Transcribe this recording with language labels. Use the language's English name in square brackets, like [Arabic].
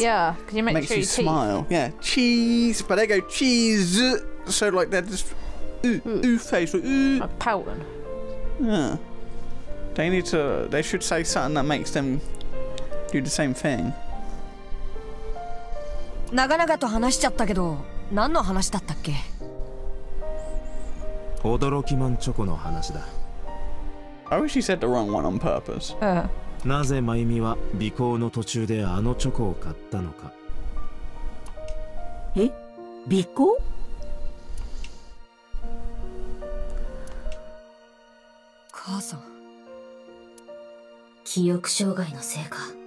[English] yeah, can you make makes sure you smile, teeth. Yeah, cheese, but they go cheese, so like they're just. Ooh, ooh face, ooh. Like pouting. Yeah. They need to. They should say something that makes them do the same thing. [Japanese] 長々と話しちゃったけど、何の話だったっけ？驚きマンチョコの話だ。 [English] I wish he said the wrong one on purpose. [Japanese] なぜマイミは尾行の途中であのチョコを買ったのか。え？尾行？母さん。記憶障害のせいか。